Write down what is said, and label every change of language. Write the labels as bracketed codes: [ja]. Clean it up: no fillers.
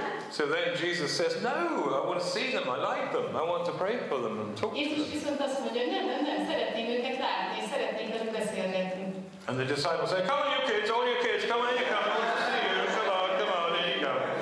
[en] So then Jesus says, no, I want to see them, I like them, I want to pray for them and talk Jesus to them. [hu] Mondja, nem, szeretném őket látni, szeretném beszélgetni. [en] And the disciples say, come on you kids, all you kids, come on you come, I want to see you, come on, here you go.